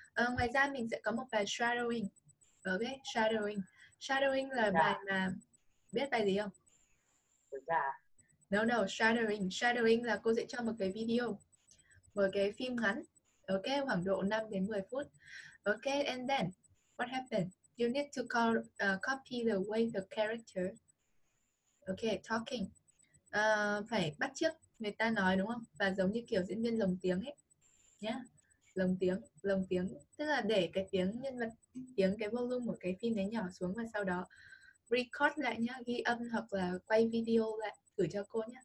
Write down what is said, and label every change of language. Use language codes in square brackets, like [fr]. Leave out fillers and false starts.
[vi] Ngoài ra mình sẽ có một bài shadowing. Okay, shadowing. Shadowing là bài mà biết bài gì không? No, no, shadowing. Shadowing là cô sẽ cho một cái video, một cái phim ngắn. Okay, khoảng độ 5 đến 10 phút. Okay, [en] and then what happened? You need to call copy the way the character. Okay, talking. [vi] Phải bắt chước người ta nói đúng không? Và giống như kiểu diễn viên lồng tiếng ấy. Nhá. Lồng tiếng, tức là để cái tiếng nhân vật, tiếng cái volume của cái phim đấy nhỏ xuống và sau đó record lại nhá, ghi âm hoặc là quay video lại gửi cho cô nhá.